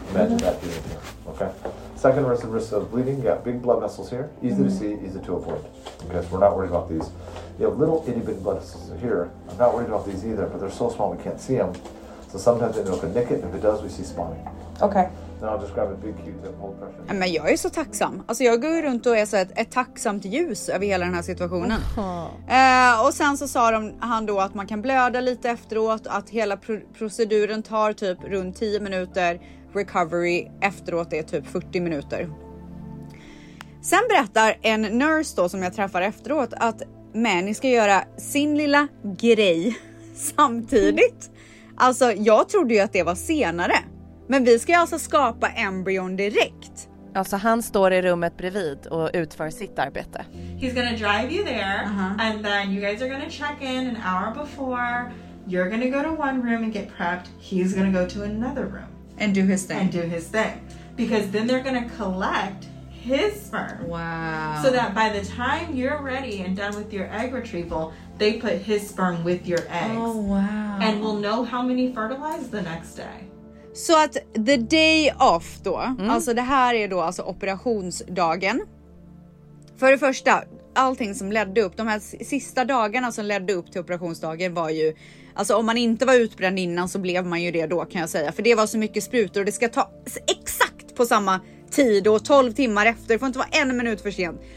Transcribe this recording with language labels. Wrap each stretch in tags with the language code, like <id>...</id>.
<en>Imagine mm-hmm. that being here. Okay. Second risk of bleeding. You got big blood vessels here. Easy mm-hmm. to see, easy to avoid. Okay, so we're not worried about these. You have little itty bitty blood vessels here. I'm not worried about these either, but they're so small we can't see them. So sometimes they can nick it, and if it does, we see spawning. Okay. Big,</en> <sv>men jag är så tacksam. Alltså jag går runt och är så ett tacksamt ljus över hela den här situationen. Och sen så sa han då att man kan blöda lite efteråt, att hela proceduren tar typ runt 10 minuter, recovery efteråt är typ 40 minuter. Sen berättar en nurse då som jag träffar efteråt att men ni ska göra sin lilla grej samtidigt. Alltså jag trodde ju att det var senare. Men vi ska ju alltså skapa embryon direkt. Alltså han står i rummet bredvid och utför sitt arbete.</sv> <en>He's gonna drive you there. Uh-huh. And then you guys are gonna check in an hour before. You're gonna go to one room and get prepped. He's gonna go to another room. And do his thing. And do his thing. Because then they're gonna collect his sperm. Wow. So that by the time you're ready and done with your egg retrieval, they put his sperm with your eggs. Oh wow. And we'll know how many fertilized the next day.</en> <sv>Så att the day off då, mm. alltså det här är då alltså operationsdagen. För det första, allting som ledde upp, de här sista dagarna som ledde upp till operationsdagen var ju, alltså om man inte var utbränd innan så blev man ju det då kan jag säga. För det var så mycket sprutor och det ska ta exakt på samma tid och 12 timmar efter, det får inte vara en minut för sent.</sv>